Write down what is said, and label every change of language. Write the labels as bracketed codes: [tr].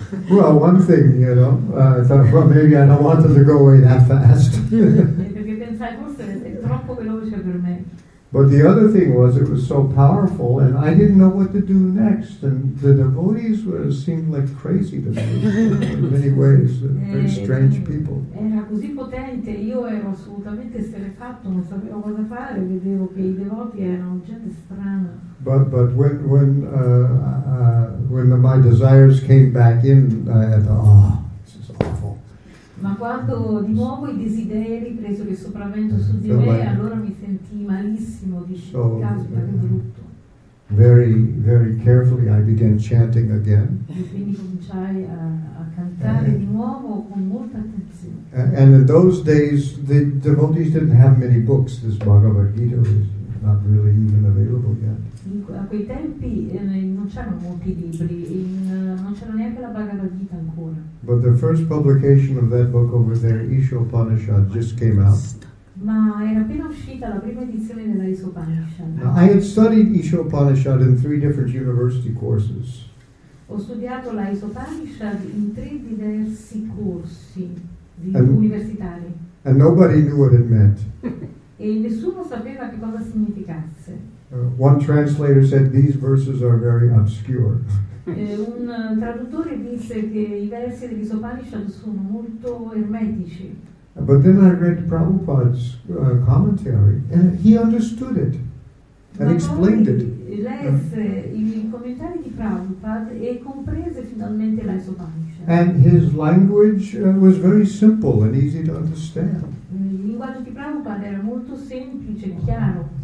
[en] Well, one thing, you know, I thought, well, maybe I don't want them to go away that fast. [it] Perché pensai, forse è troppo veloce per me. [en] But the other thing was, it was so powerful, and I didn't know what to do next. And the devotees seemed like crazy to me in many ways, very strange people. [it] Era così potente, io ero assolutamente esterrefatto, non sapevo cosa fare. Vedevo che i devoti erano gente strana. [en] But when my desires came back in, I thought, this is awful. [it] Ma quando di nuovo i desideri presero il sopravvento su di me, allora mi sentii malissimo, brutto. [en] Very, very carefully I began chanting again. [it] E quindi cominciai a cantare di nuovo con molta attenzione. [en] And in those days the devotees didn't have many books. This Bhagavad Gita was not really even available yet. [it] A quei tempi non c'erano molti libri, non c'era neanche la Bhagavad Gita ancora. [en] But the first publication of that book over there, Isopanishad, just came out. [it] Ma era appena uscita la prima edizione della Isopanishad. [en] Now, I had studied Isopanishad in three different university courses. [it] Ho studiato la Isopanishad in tre diversi corsi. universitari. [en] And nobody knew what it meant. [it] E nessuno sapeva che cosa significasse. [en] One translator said these verses are very obscure. [it] Un traduttore disse che i versi degli Upanishad sono molto ermetici. [en] But then I read Prabhupada's commentary, and he understood it and explained it. [it] Lesse i commentari di Prabhupada e comprese finalmente la Upanishad. [en] And his language was very simple and easy to understand. [it] Il linguaggio di Prabhupada era molto semplice e chiaro.